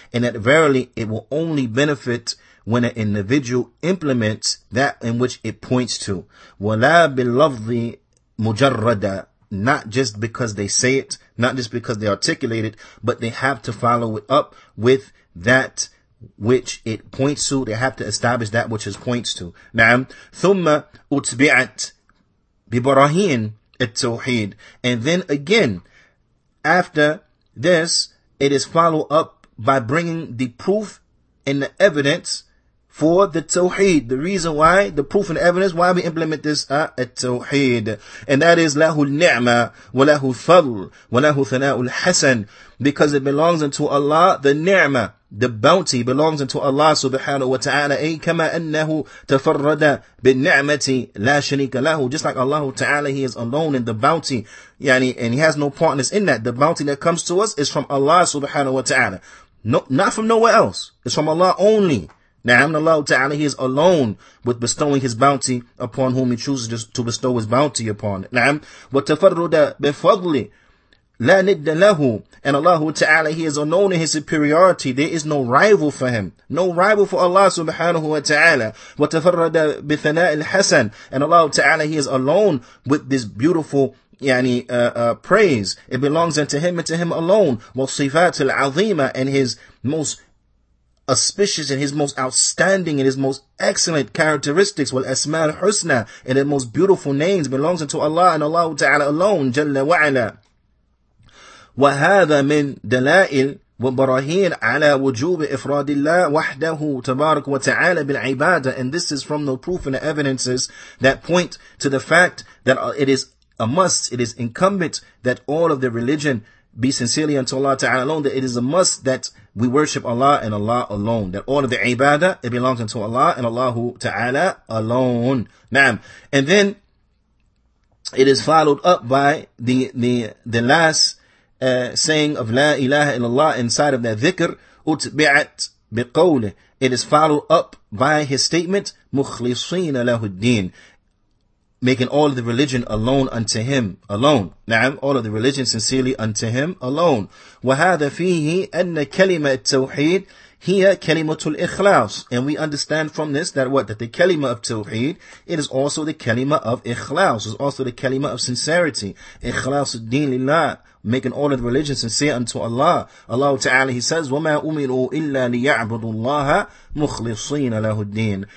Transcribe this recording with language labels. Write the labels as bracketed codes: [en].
[en] And that verily it will only benefit when an individual implements that in which it points to. [ar] وَلَا بِاللَّفْظِ مُجَرَّدًا. [en] Not just because they say it, not just because they articulate it, but they have to follow it up with that which it points to. They have to establish that which it points to. [ar] نعم. ثُمَّ أُتْبِعَتْ بِبَرَهِينَ التوحيد. [en] And then again, after this, it is followed up by bringing the proof and the evidence for the tawheed. The reason why, the proof and evidence why we implement this at-tawheed. And that is, [ar] لَهُ الْنِعْمَةُ وَلَهُ الْفَضْلُ وَلَهُ ثَنَاءُ الْحَسَنُ. [en] Because it belongs unto Allah, the ni'mah, the bounty belongs unto Allah subhanahu wa ta'ala. [ar] أي كما أنه تفرد بالنعمة لا شريك له. [en] Just like Allah ta'ala, he is alone in the bounty. يعني, and he has no partners in that. The bounty that comes to us is from Allah subhanahu wa ta'ala. No, not from nowhere else. It's from Allah only. نعم الله تعالى, he is alone with bestowing his bounty upon whom he chooses to bestow his bounty upon. نعم. [ar] وتفرد بفضله لا ند له. [en] And Allah Ta'ala, he is alone in his superiority. There is no rival for him. No rival for Allah Subhanahu wa Ta'ala. [ar] وتفرد بثناء الحسن. [en] And Allah Ta'ala, he is alone with this beautiful praise. It belongs unto him and to him alone. [ar] وصفات العظيمة. [en] And his most auspicious and his most outstanding and his most excellent characteristics. [ar] والأسماء الحسنى. [en] And the most beautiful names belongs unto Allah and Allah Ta'ala alone. [ar] جل وعلا. وهذا من دلائل وبراهين على وجوب إفراد الله وحده تبارك وتعالى بالعبادة. [en] And this is from the proof and the evidences that point to the fact that it is a must, it is incumbent that all of the religion be sincerely unto Allah Ta'ala alone, that it is a must that we worship Allah and Allah alone, that all of the ibadah, it belongs unto Allah and Allah Ta'ala alone. [ar] نعم. [en] And then it is followed up by the last saying of La ilaha illallah inside of that dhikr, utbi'at biqawlih. It is followed up by his statement, [ar] مخلصين له الدين. [en] Making all of the religion alone unto him alone. Na'am, all of the religion sincerely unto him alone. [ar] وهذا فيه أن كلمة التوحيد هي كلمة الإخلاص. [en] And we understand from this that what? That the kalima of tawheed, it is also the kalima of ikhlas. It's also the kalima of sincerity. [ar] إخلاص الدين لله. [en] Making all of the religions and say unto Allah. Allah Ta'ala, he says, [ar] وَمَا أُمِرُوا إِلَّا لِيَعْبُدُوا اللَّهَ مُخْلِصِينَ لَهُ الدِّينَ.